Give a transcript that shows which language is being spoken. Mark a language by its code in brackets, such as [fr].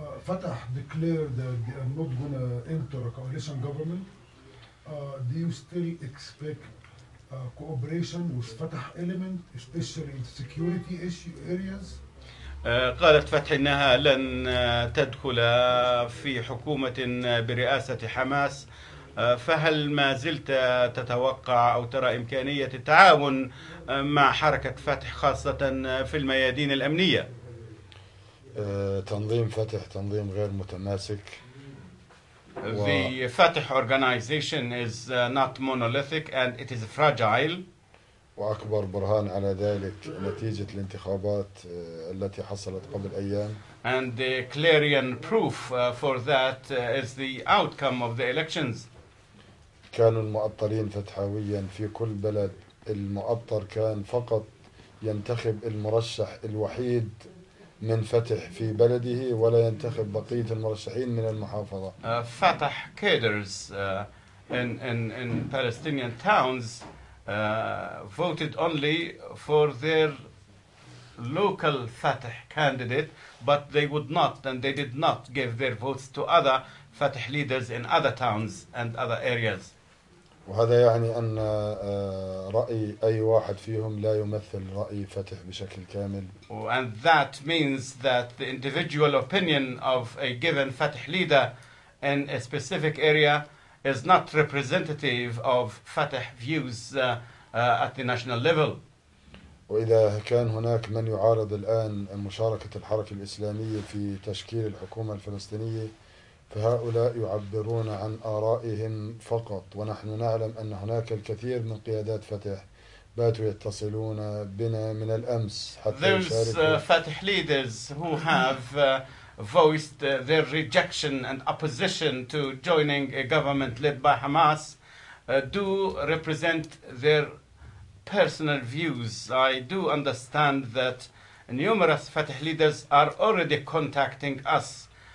[en] Fatah declared that I'm not going to enter a coalition government. Do you still expect cooperation with Fatah element, especially in security issue areas? [ar] قالت فتح إنها لن تدخل في حكومة برئاسة حماس. فهل ما زلت تتوقع أو ترى إمكانية التعاون مع حركة فتح خاصة في الميادين الأمنية؟ تنظيم فتح تنظيم غير متماسك. [en] The Fatah organization is not monolithic and it is fragile. [ar] وأكبر برهان على ذلك نتيجة الانتخابات التي حصلت قبل أيام. [en] And the clarion proof for that is the outcome of the elections. [ar] كانوا المؤطرين فتحاويا في كل بلد. المؤطر كان فقط ينتخب المرشح الوحيد من فتح في بلده ولا ينتخب بقية المرشحين من المحافظة. [en] Fatah cadres in Palestinian towns voted only for their local Fatah candidate, but they would not and they did not give their votes to other Fatah leaders in other towns and other areas. [ar] وهذا يعني أن رأي أي واحد فيهم لا يمثل رأي فتح بشكل كامل. [en] And that means that the individual opinion of a given Fatah leader in a specific area is not representative of Fatah views at the national level. [ar] وإذا كان هناك من يعارض الآن مشاركة الحركة الإسلامية في تشكيل الحكومة الفلسطينية فهؤلاء يعبرون عن آرائهم فقط ونحن نعلم أن هناك الكثير من قيادات فتح باتوا يتصلون بنا من الأمس حتى [en] Those [ar] يشاركوا. [en] Fatah leaders who have voiced their rejection and opposition to joining a government led by Hamas do represent their personal views. I do understand that numerous Fatah leaders are already contacting us.